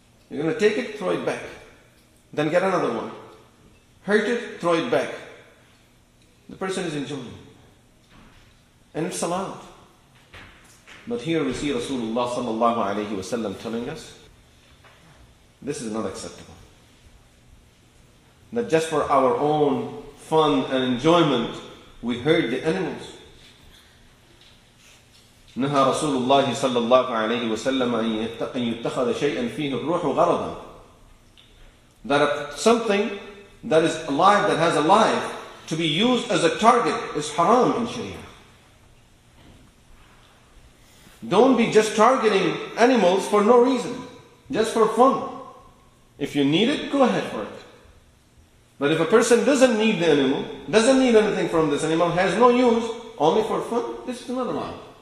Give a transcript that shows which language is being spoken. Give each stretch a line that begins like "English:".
English: You're going to take it, throw it back. Then get another one. Hurt it, throw it back. The person is enjoying it. And it's allowed. But here we see Rasulullah sallallahu alayhi wa sallam telling us, this is not acceptable. That just for our own fun and enjoyment, we hurt the animals.
Arabic: نهى رسول الله صلى الله عليه وسلم أن يتخذ شيئا فيه الروح غرضا.
English: That something that is alive, that has a life, to be used as a target is haram in Sharia. Don't be just targeting animals for no reason, just for fun. If you need it, go ahead for it. But if a person doesn't need the animal, doesn't need anything from this animal, has no use, only for fun, this is another one.